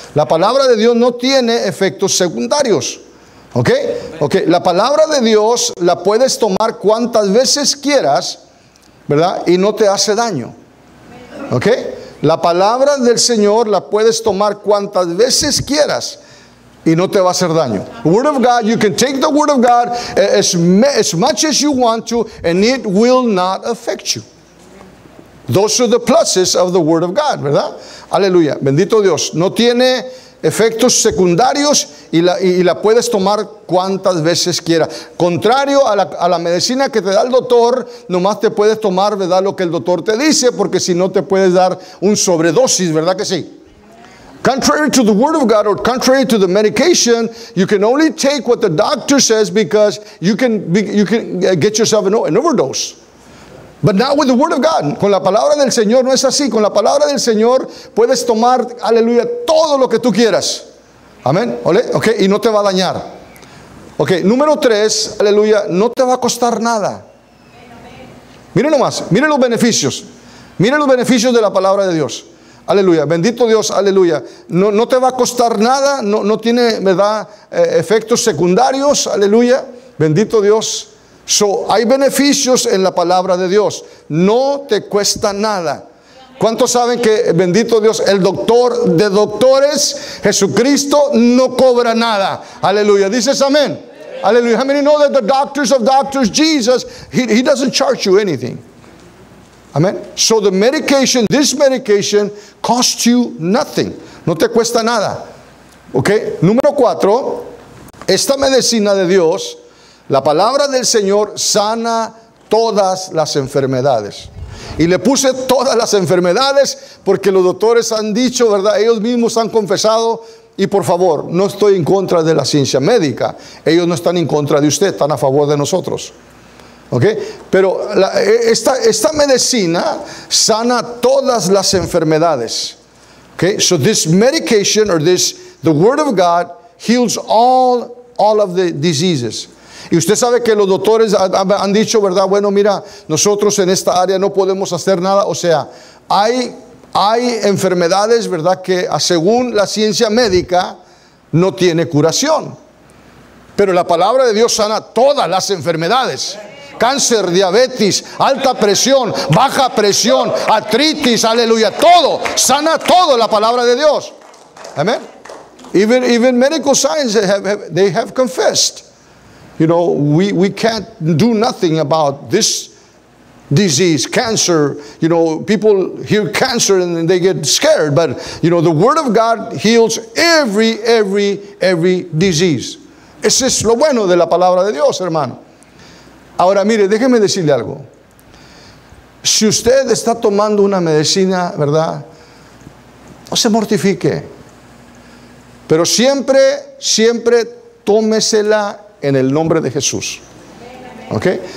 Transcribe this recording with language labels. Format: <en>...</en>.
<es>La palabra de Dios no tiene efectos secundarios. ¿Ok? Ok, la palabra de Dios la puedes tomar cuantas veces quieras, ¿verdad? Y no te hace daño. ¿Ok? La palabra del Señor la puedes tomar cuantas veces quieras y no te va a hacer daño.</es> <en>Word of God, you can take the word of God as much as you want to and it will not affect you. Those are the pluses of the word of God, ¿verdad?</en> <es>Aleluya. Bendito Dios. No tiene efectos secundarios y la puedes tomar cuantas veces quieras. Contrario a la medicina que te da el doctor, nomás te puedes tomar, ¿verdad?, lo que el doctor te dice, porque si no te puedes dar un sobredosis, ¿verdad que sí?</es> <en>Contrary to the word of God or contrary to the medication, you can only take what the doctor says because you can get yourself an overdose. But not with the word of God.</en> <es>Con la palabra del Señor no es así. Con la palabra del Señor puedes tomar, aleluya, todo lo que tú quieras. Amén. ¿Ole? Ok, y no te va a dañar. Ok, número tres, aleluya, no te va a costar nada. Miren nomás, miren los beneficios. Miren los beneficios de la palabra de Dios. Aleluya, bendito Dios, aleluya. No te va a costar nada, no tiene, ¿verdad?, efectos secundarios, aleluya. Bendito Dios. So, hay beneficios en la palabra de Dios. No te cuesta nada. ¿Cuántos saben que, bendito Dios, el doctor de doctores, Jesucristo, no cobra nada? Aleluya. ¿Dices amén? Aleluya.</es> <en>How many know that the doctors of doctors, Jesus, he doesn't charge you anything? Amén. So, the medication, this medication, costs you nothing.</en> <es>No te cuesta nada.</es> <en>Okay.</en> <es>Número cuatro, esta medicina de Dios, la palabra del Señor, sana todas las enfermedades. Y le puse todas las enfermedades porque los doctores han dicho, ¿verdad? Ellos mismos han confesado. Y por favor, no estoy en contra de la ciencia médica. Ellos no están en contra de usted, están a favor de nosotros. ¿Ok? Pero esta medicina sana todas las enfermedades. ¿Ok?</es> <en>So this medication or this, the word of God heals all of the diseases.</en> <es>Y usted sabe que los doctores han dicho, ¿verdad? Bueno, mira, nosotros en esta área no podemos hacer nada. O sea, hay enfermedades, ¿verdad?, que según la ciencia médica no tiene curación. Pero la palabra de Dios sana todas las enfermedades. Cáncer, diabetes, alta presión, baja presión, artritis, aleluya, todo. Sana todo la palabra de Dios. Amén.</es> <en>Even medical science, they have confessed. You know, we can't do nothing about this disease, cancer. You know, people hear cancer and they get scared. But, you know, the word of God heals every disease.</en> <es>Ese es lo bueno de la palabra de Dios, hermano. Ahora, mire, déjeme decirle algo. Si usted está tomando una medicina, ¿verdad? No se mortifique. Pero siempre, siempre tómesela en el nombre de Jesús. ¿Okay?</es>